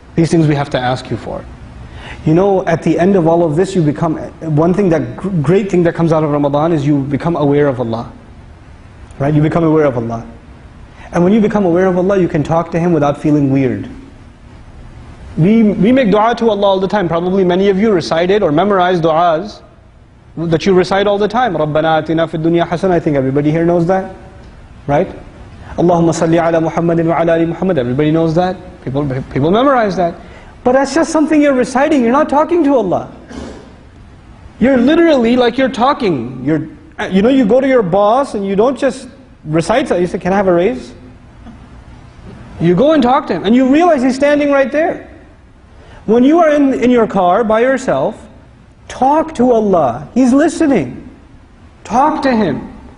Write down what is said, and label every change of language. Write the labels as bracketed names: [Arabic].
[English] These things we have to ask you for. You know, at the end of all of this, you become, one thing that, great thing that comes out of Ramadan is you become aware of Allah. Right? You become aware of Allah. And when you become aware of Allah, you can talk to Him without feeling weird. We make dua to Allah all the time. Probably many of you recited or memorized du'as that you recite all the time. [Arabic] رَبَّنَا أَتِنَا فِي الدُّنْيَا حَسَنًا. [English] I think everybody here knows that. Right? [Arabic] اللهم صل على محمد وعلى آل محمد. [English] Everybody knows that. People memorize that. But that's just something you're reciting. You're not talking to Allah. You're literally like you're talking. You know, you go to your boss and you don't just recite that. You say, can I have a raise? You go and talk to him. And you realize he's standing right there. When you are in your car by yourself, talk to Allah. He's listening. Talk to Him.